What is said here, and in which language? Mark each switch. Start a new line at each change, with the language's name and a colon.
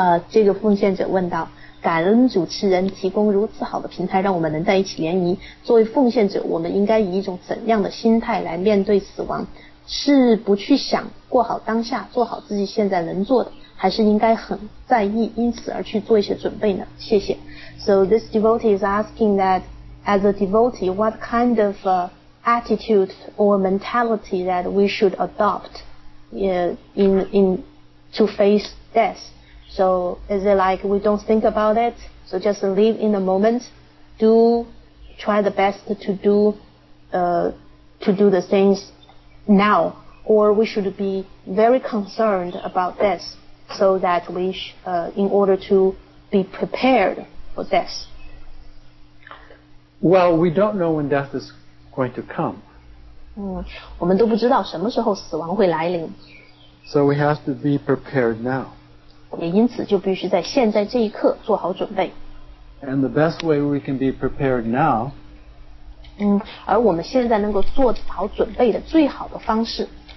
Chinese: 这个奉献者问道，感恩主持人提供如此好的平台，让我们能在一起联谊。作为奉献者，我们应该以一种怎样的心态来面对死亡？是不去想，过好当下，做好自己现在能做的，还是应该很在意，因此而去做一些准备呢？谢谢。
English: So this devotee is asking that, as a devotee, what kind of attitude or mentality that we should adopt in to face death? So is it like we don't think about it? So just live in the moment, try the best to do the things now, or we should be very concerned about this? So that we, in order to be prepared for death. Well, we don't know when death is going to come.
Chinese: 我们都不知道什么时候死亡会来临。
English: So we have to be prepared now.
Chinese: 也因此就必须在现在这一刻做好准备。
English: And the best way we can be prepared now.
Chinese: 而我们现在能够做好准备的最好的方式